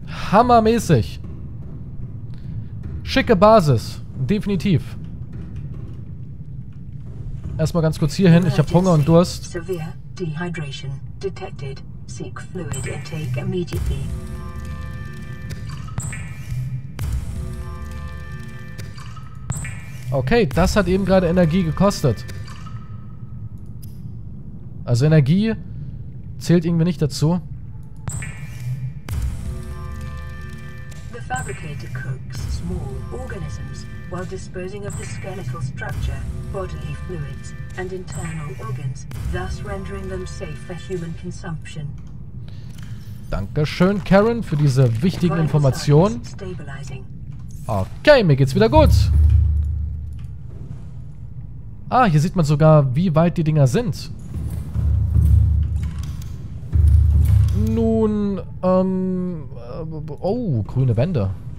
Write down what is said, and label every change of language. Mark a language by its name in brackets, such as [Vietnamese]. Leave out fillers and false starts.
[German] Hammermäßig. Schicke Basis. Definitiv. Erstmal ganz kurz hier hin. Ich habe Hunger und Durst. [English] Dehydration detected. Seek fluid intake immediately. [German] Okay, das hat eben gerade Energie gekostet. Also Energie zählt irgendwie nicht dazu. [English] The fabricator cooks small organisms while disposing of the skeletal structure, bodily fluids and internal organs, thus rendering them safe for human consumption. [German] Dankeschön, Karen, für diese wichtigen Informationen. Okay, mir geht's wieder gut. Ah, hier sieht man sogar, wie weit die Dinger sind. Nun, oh, grüne Wände.